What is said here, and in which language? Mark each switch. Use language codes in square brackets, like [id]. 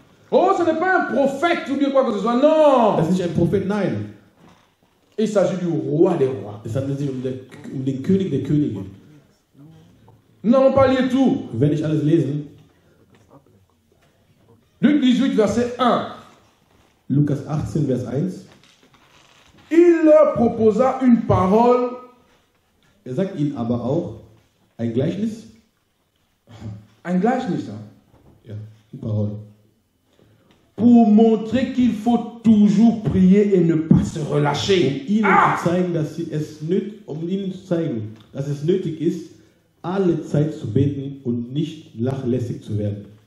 [fr] Oh, ce n'est pas un prophète ou bien quoi que ce soit, non. [de] Das ist ein Prophet, nein. [fr] Il s'agit du roi des rois. [de] Es handelt sich um den König der Könige. [fr] Nous n'allons pas lire tout. [de] Wir werden nicht alles lesen. [fr] Luc 18, verset 1. [de] Lukas 18, vers 1. [fr] Il leur proposa une parole. [de] Er sagt ihnen aber auch ein Gleichnis. Ein Gleichnis, hein? [fr] Ja, une parole. Pour montrer qu'il faut toujours prier et ne pas se relâcher. [de] Um ihnen zu zeigen, dass sie es nötig, um ihnen zu zeigen, dass es nötig ist, alle Zeit zu beten und nicht nachlässig zu werden.